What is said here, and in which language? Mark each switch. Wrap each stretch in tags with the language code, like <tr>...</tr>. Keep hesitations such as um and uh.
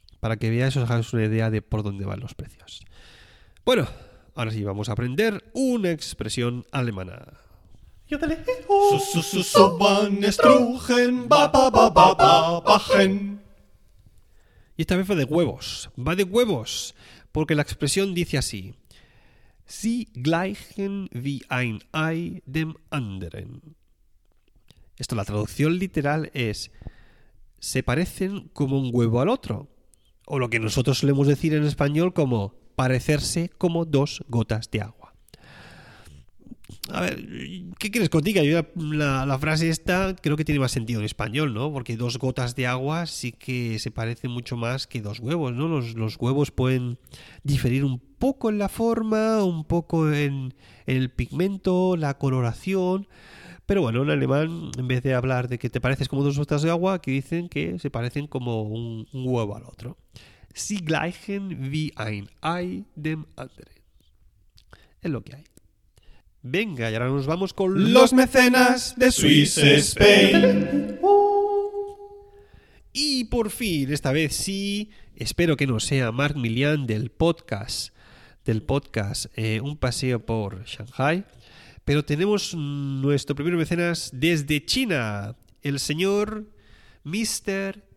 <es>Para que veáis, os hagáis una idea de por dónde van los precios. Bueno, ahora sí vamos a aprender una expresión alemana. So, so, so, so, wann es trugen, ba, ba, ba, ba, ba, bachen. Y esta vez va de huevos. Va de huevos. Porque la expresión dice así.</es> <de>Sie gleichen wie ein Ei dem anderen.</de> <es>Esto, la traducción literal es se parecen como un huevo al otro. O lo que nosotros solemos decir en español como parecerse como dos gotas de agua. A ver, ¿qué quieres contigo? Yo la, la- la frase esta creo que tiene más sentido en español, ¿no? Porque dos gotas de agua sí que se parecen mucho más que dos huevos, ¿no? Los, los huevos pueden diferir un poco en la forma, un poco en, en el pigmento, la coloración. Pero bueno, en alemán, en vez de hablar de que te pareces como dos gotas de agua, que dicen que se parecen como un, un huevo al otro.</es> <de>Sie gleichen wie ein Ei dem anderen.</de> <es>Es lo que hay. Venga, y ahora nos vamos con los mecenas de Swiss Spain. Y por fin, esta vez sí, espero que no sea Marc Milian del podcast, del podcast eh, Un paseo por Shanghai, pero tenemos nuestro primer mecenas desde China, el señor Mr.</es>